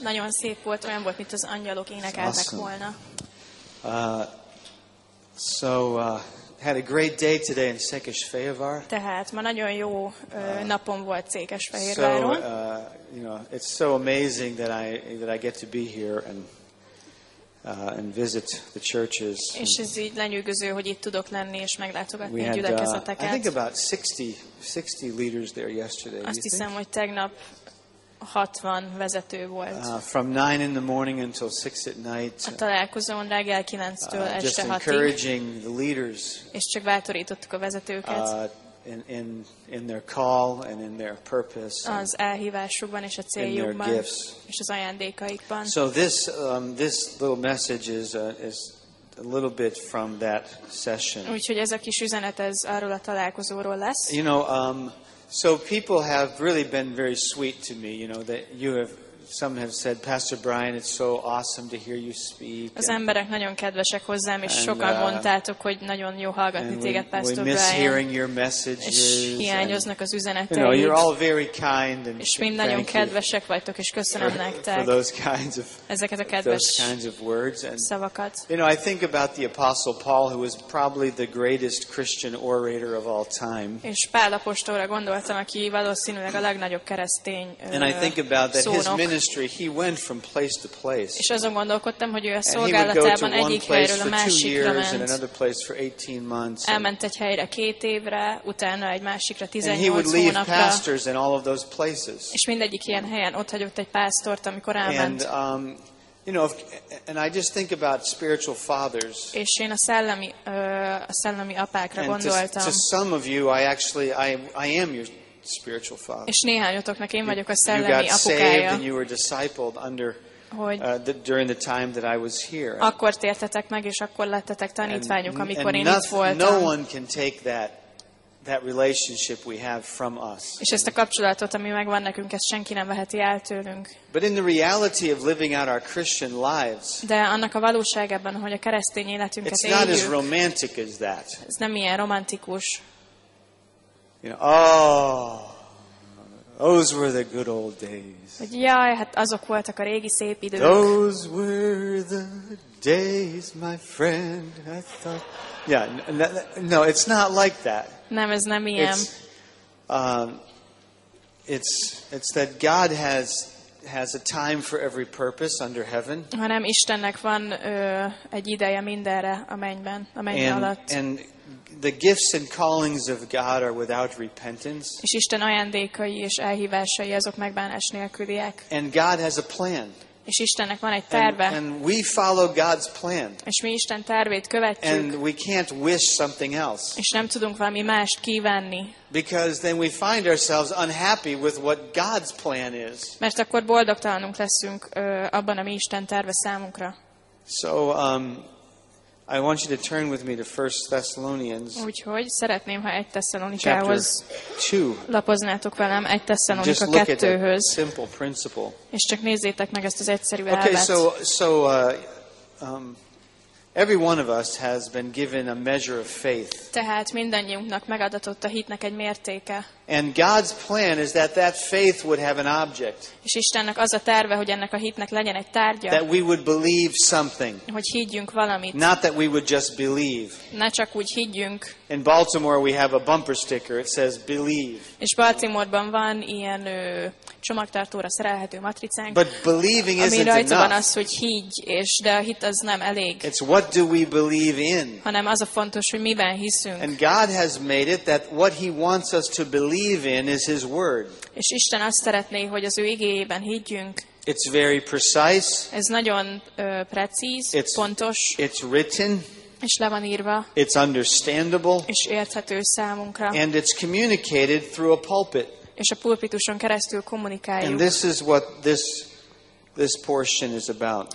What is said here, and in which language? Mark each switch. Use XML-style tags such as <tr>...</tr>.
<hu>Nagyon szép volt, olyan volt, mint az angyalok énekeltek</hu> <en>awesome.</en> <hu>Volna.</hu> <en>Had a great day today in Székesfehérvár.</en> <hu>Tehát ma nagyon jó napom volt Székesfehérváron.</hu> <en>It's so amazing that I get to be here and visit the churches.</en> <hu>És ez így lenyűgöző, hogy itt tudok lenni és meglátogatni gyülekezeteket.</hu> <en>I think about 60 leaders there yesterday.</en> <hu>Azt hiszem, hogy tegnap 60 vezető volt.</hu> <en>From 9 in the morning until 6 at night.</en> <hu>A találkozón reggel 9-től este 6-ig.</hu> <en>Just encouraging the leaders.</en> <hu>És csak bátorítottuk a vezetőket.</hu> <en>In their call and in their purpose.</en> <hu>Az elhívásukban és a céljukban.</hu> <en>In their gifts.</en> <hu>És az ajándékaikban.</hu> <en>So this little message is a little bit from that session.</en> <hu>Úgyhogy ez a kis üzenet ez arról a találkozóról lesz.</hu> <en>So people have really been very sweet to me, you know, that some have said, Pastor Brian, it's so awesome to hear you speak.</en> <hu>Az emberek nagyon kedvesek hozzám, és sokan mondtátok, hogy nagyon jó hallgatni téged, Pastor Brian.</hu> <en>We miss hearing your messages.</en> <hu>Hiányoznak az üzeneteid.</hu> <en>You know, you're all very kind and</en> <hu>és mind nagyon kedvesek vagytok, és köszönöm nektek.</hu> <en>For those kinds of</en> <hu>ezeket a kedves</hu> <en>those kinds of words and</en> <hu>szavakat.</hu> <en>You know, I think about the Apostle Paul, who was probably the greatest Christian orator of all time.</en> <hu>És Pál apostolra gondoltam, aki valószínűleg a legnagyobb keresztény szónok.</hu> <en>And I think about that his ministry, he went from place to place.</en> <hu>És azon gondolkodtam, hogy ő a szolgálatában egyik helyről a másikra ment.</hu> <en>And another place for 18 months.</en> <hu>Elment egy helyre 2 évre, utána egy másikra 18</hu> <en>and he would leave</en> <hu>hónapra.</hu> <en>Pastors in all of those places.</en> <hu>És mindegyik ilyen helyen ott hagyott egy pásztort, amikor elment.</hu> <en>And I just think about spiritual fathers.</en> <hu>És én a szellemi apákra gondoltam.</hu> <en>To some of you, I am your spiritual father.</en> <hu>És néhányotoknak én vagyok a szellemi apukája.</hu> <en>You got saved and you were discipled under during the time that I was here.</en> <hu>Akkor tértetek meg és akkor lettetek tanítványok, amikor én itt voltam.</hu> <en>No one can take that relationship we have from us.</en> <hu>És ezt a kapcsolatot, ami megvan nekünk, ezt senki nem veheti el tőlünk.</hu> <en>But in the reality of living out our Christian lives.</en> <hu>De annak a valóságában, hogy a keresztény életünket</hu> <en>it's</en> <hu>éljük.</hu> <en>It's not as romantic as that.</en> <hu>Ez nem ilyen romantikus.</hu> <en>You know, those were the good old days.</en> <hu>Jaj, hát azok voltak a régi szép idők.</hu> <en>Those were the days, my friend. I thought, yeah, no, it's not like that.</en> <hu>Nem, ez nem ilyen.</hu> <en>It's that God has a time for every purpose under heaven.</en> <hu>Hanem Istennek van egy ideje mindenre a mennyben, a menny alatt.</hu> <en>And the gifts and callings of God are without repentance.</en> <hu>És Isten ajándékai és elhívásai azok megbánás nélküliek.</hu> <en>And God has a plan.</en> <hu>És Istennek van egy terve.</hu> <en>And we follow God's plan.</en> <hu>És mi Isten tervét követjük.</hu> <en>And we can't wish something else.</en> <hu>És nem tudunk valami mást kívánni.</hu> <en>Because then we find ourselves unhappy with what God's plan is.</en> <hu>Mert akkor boldogtalanunk leszünk abban, ami Isten terve számunkra.</hu> <en>So I want you to turn with me to 1 Thessalonians.</en> <hu>Úgyhogy szeretném, ha 1 Tesszalonikához lapoznátok velem 1 Tesszalonika 2-höz.</hu> <en>Simple principle.</en> <hu>És csak nézzétek meg ezt az egyszerű elvet.</hu> <en>Okay, every one of us has been given a measure of faith.</en> <hu>Tehát mindannyiunknak megadatott a hitnek egy mértéke.</hu> <en>And God's plan is that faith would have an object.</en> <hu>És Istennek az a terve, hogy ennek a hitnek legyen egy tárgya.</hu> <en>That we would believe something.</en> <hu>Hogy higgyünk valamit.</hu> <en>Not that we would just believe.</en> <hu>Ne csak úgy higgyünk.</hu> <en>In Baltimore we have a bumper sticker. It says believe.</en> <hu>És Baltimoreban van ilyen csomagtartóra szerelhető matricánk.</hu> <en>But believing isn't enough.</en> <hu>Ami rajta van az, hogy higgy, és de a hit az nem elég.</hu> <en>It's what do we believe in?</en> <hu>Hanem az a fontos, hogy miben hiszünk.</hu> <en>And God has made it that what He wants us to believe. Believe in is His word.</en> <hu>És Isten azt szeretné, hogy az ő igéjében higgyünk.</hu> <en>It's very precise.</en> <hu>Ez nagyon precíz, pontos.</hu> <en>It's written.</en> <hu>És le van írva.</hu> <en>It's understandable.</en> <hu>És érthető számunkra.</hu> <en>And it's communicated through a pulpit.</en> <hu>És a pulpituson keresztül kommunikáljuk.</hu> <en>And this is what this portion is about.</en>